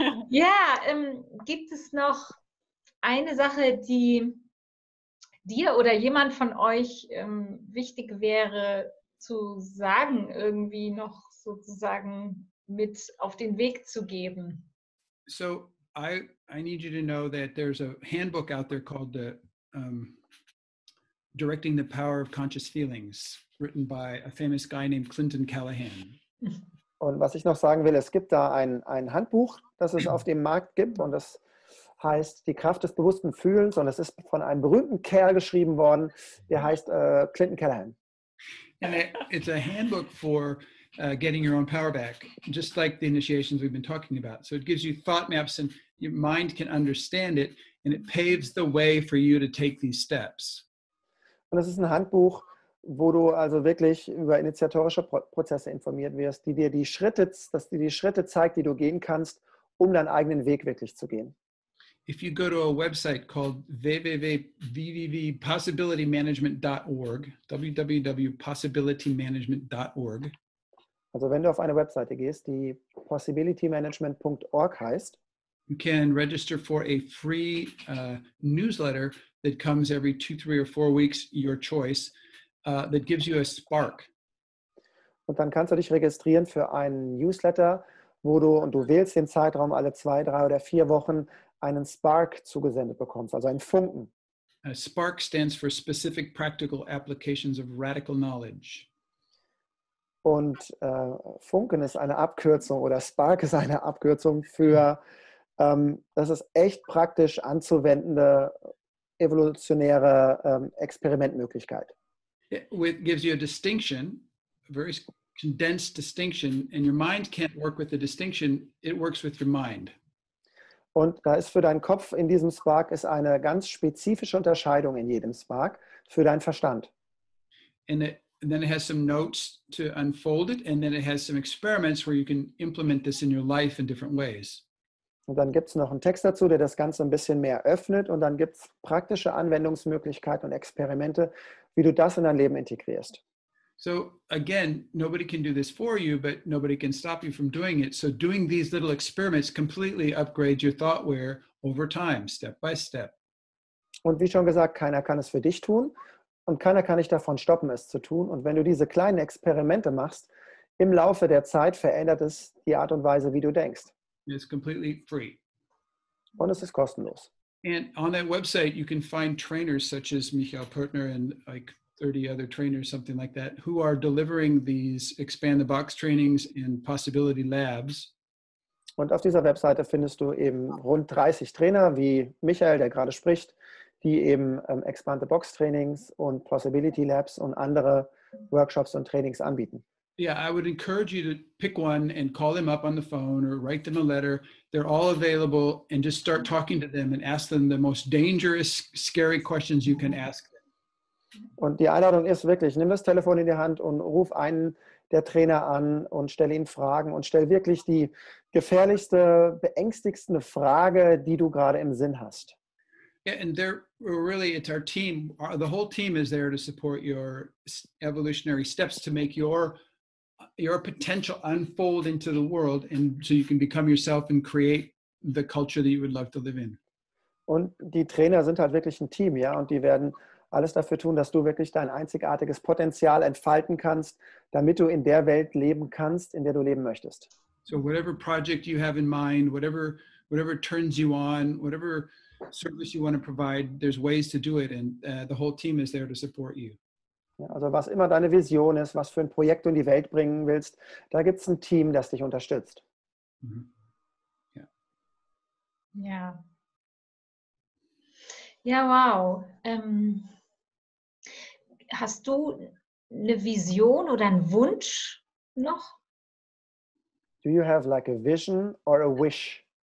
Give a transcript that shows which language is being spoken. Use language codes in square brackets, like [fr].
[de] Ja, gibt es noch eine Sache, die dir oder jemand von euch wichtig wäre zu sagen, irgendwie noch sozusagen mit auf den Weg zu geben? [en] So, I need you to know that there's a handbook out there called the Directing the Power of Conscious Feelings, written by a famous guy named Clinton Callahan. [de] Und was ich noch sagen will, es gibt da ein Handbuch, das es auf dem Markt gibt und das heißt Die Kraft des bewussten Fühlens und es ist von einem berühmten Kerl geschrieben worden, der heißt Clinton Callahan. [en] And it's a handbook for getting your own power back, just like the initiations we've been talking about. So it gives you thought maps and your mind can understand it and it paves the way for you to take these steps. [de] Und das ist ein Handbuch, wo du also wirklich über initiatorische Prozesse informiert wirst, die dir die Schritte zeigt, die du gehen kannst, um deinen eigenen Weg wirklich zu gehen. [en] If you go to a website called www.possibilitymanagement.org, www.possibilitymanagement.org. [de] Also wenn du auf eine Webseite gehst, die possibilitymanagement.org heißt, [en] you can register for a free newsletter that comes every 2, 3, or 4 weeks, your choice. That gives you a spark. [de] Und dann kannst du dich registrieren für einen Newsletter, wo du und du wählst den Zeitraum alle 2, 3 oder 4 Wochen einen Spark zugesendet bekommst, also einen Funken. [en] A spark stands for specific practical applications of radical knowledge. [de] Und Funken ist eine Abkürzung oder Spark ist eine Abkürzung für das ist echt praktisch anzuwendende evolutionäre Experimentmöglichkeit. [en] It gives you a distinction, a very condensed distinction, and your mind can't work with the distinction, it works with your mind. [de] Und da ist für deinen Kopf in diesem Spark ist eine ganz spezifische Unterscheidung in jedem Spark für deinen Verstand. [en] And then it has some notes to unfold it, and then it has some experiments where you can implement this in your life in different ways. [de] Und dann gibt es noch einen Text dazu, der das Ganze ein bisschen mehr öffnet und dann gibt es praktische Anwendungsmöglichkeiten und Experimente, wie du das in dein Leben integrierst. [en] So again, nobody can do this for you, but nobody can stop you from doing it. So doing these little experiments completely upgrades your thoughtware over time, step by step. [de] Und wie schon gesagt, keiner kann es für dich tun und keiner kann dich davon stoppen, es zu tun. Und wenn du diese kleinen Experimente machst, im Laufe der Zeit verändert es die Art und Weise, wie du denkst. [en] It's completely free. [de] Und es ist kostenlos. [en] And on that website, you can find trainers such as Michael Pertner and like 30 other trainers, something like that, who are delivering these Expand the Box trainings in Possibility Labs. [de] Und auf dieser Webseite findest du eben rund 30 Trainer wie Michael, der gerade spricht, die eben Expand the Box Trainings und Possibility Labs und andere Workshops und Trainings anbieten. [en] Yeah, I would encourage you to pick one and call them up on the phone or write them a letter. They're all available and just start talking to them and ask them the most dangerous, scary questions you can ask them. [de] Und die Einladung ist wirklich, nimm das Telefon in die Hand und ruf einen der Trainer an und stell ihn Fragen und stell wirklich die gefährlichste, beängstigendste Frage, die du gerade im Sinn hast. [en] Yeah, and they're really, it's our team. The whole team is there to support your evolutionary steps to make your potential unfold into the world and so you can become yourself and create the culture that you would love to live in. [de] Und die Trainer sind halt wirklich ein Team, ja, und die werden alles dafür tun, dass du wirklich dein einzigartiges Potenzial entfalten kannst, damit du in der Welt leben kannst, in der du leben möchtest. [en] So whatever project you have in mind, whatever turns you on, whatever service you want to provide, there's ways to do it and the whole team is there to support you. [de] Ja, also was immer deine Vision ist, was für ein Projekt du in die Welt bringen willst, da gibt es ein Team, das dich unterstützt. Mhm. Ja. Ja. Ja, wow. Hast du eine Vision oder einen Wunsch noch? [en] Do you have like a vision or a wish?